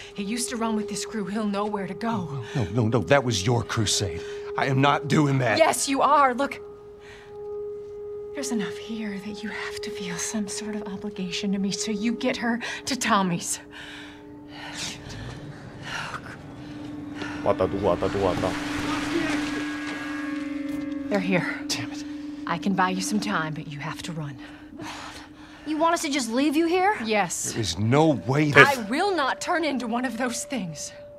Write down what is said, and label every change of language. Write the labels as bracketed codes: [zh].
[en] He used to run with this crew. He'll know where to go. No. That was your crusade. I am not doing that. Yes, you are. Look, there's enough here that you have to feel some sort of obligation to me, so you get her to Tommy's. [ko] 왔다, 누구 왔다, 누구 왔다. [en] They're here. Damn it. I can buy you some time, but you have to run. You want us to just leave you here? Yes. There is no way that I will not turn into one of those things.